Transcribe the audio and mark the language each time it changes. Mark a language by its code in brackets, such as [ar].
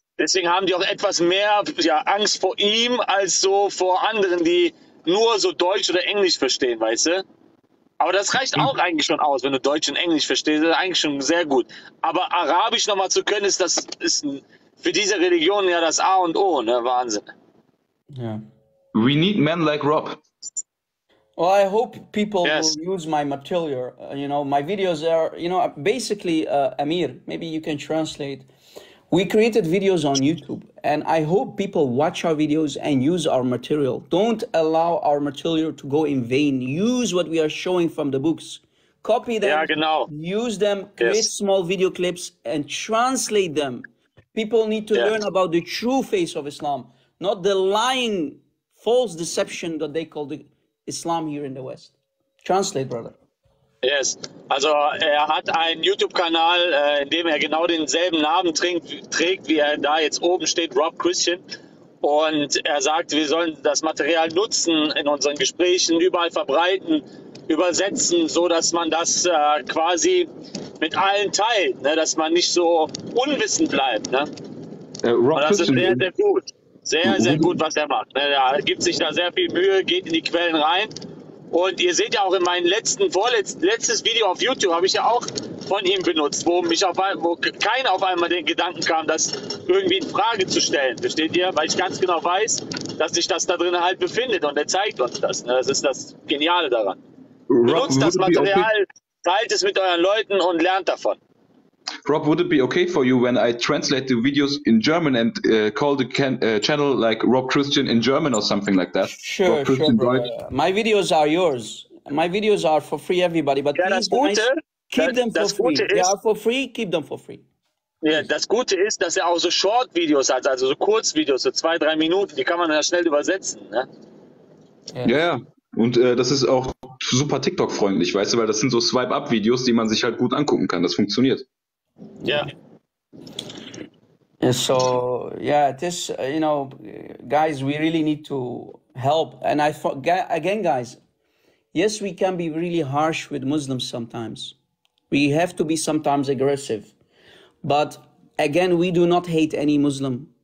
[de] Deswegen haben die auch etwas mehr Angst vor ihm als so vor anderen, die nur so Deutsch oder Englisch verstehen, weißt du? Aber das reicht auch eigentlich schon aus, wenn du Deutsch und Englisch verstehst, das ist eigentlich schon sehr gut. Aber Arabisch nochmal zu können, ist für diese Religion ja das A und O, ne? Wahnsinn. [en] Yeah. We need men like Rob. Well, I hope people will use my material, you know, my videos are, you know, basically, Amir, maybe you can translate. We created videos on YouTube, and I hope people watch our videos and use our material. Don't allow our material to go in vain. Use what we are showing from the books. Copy them, use them, create small video clips, and translate them. People need to learn about the true face of Islam, not the lying, false deception that they call the Islam here in the West. Translate, brother. [de] Yes, also er hat einen YouTube-Kanal, in dem er genau denselben Namen trägt, wie er da jetzt oben steht, Rob Christian. Und er sagt, wir sollen das Material nutzen in unseren Gesprächen, überall verbreiten, übersetzen, so dass man das quasi mit allen teilt, ne? Dass man nicht so unwissend bleibt. Ne? Rob das ist sehr, sehr gut. Sehr, sehr gut, was er macht. Er gibt sich da sehr viel Mühe, geht in die Quellen rein. Und ihr seht ja auch in meinem letztes Video auf YouTube habe ich ja auch von ihm benutzt, wo keiner auf einmal den Gedanken kam, das irgendwie in Frage zu stellen. Versteht ihr? Weil ich ganz genau weiß, dass sich das da drin halt befindet und er zeigt uns das. Ne? Das ist das Geniale daran. Benutzt das Material, teilt es mit euren Leuten und lernt davon. [en] Rob, would it be okay for you when I translate the videos in German and call the channel like Rob Christian in German or something like that? Sure, my videos are yours. My videos are for free, everybody. But please, guys, keep them for free. They are for free. Keep them for free. [de] Ja, das Gute ist, dass er auch so Short-Videos hat, also so Kurzvideos, so 2-3 Minuten, die kann man ja schnell übersetzen, ne? Ja, ja. Und das ist auch super TikTok-freundlich, weißt du, weil das sind so Swipe-Up-Videos, die man sich halt gut angucken kann. Das funktioniert. Ja. [en] And so, yeah, this, you know, guys, we really need to help. And I thought, again, guys, yes, we can be really harsh with Muslims sometimes. We have to be sometimes aggressive. But again, we do not hate any Muslim.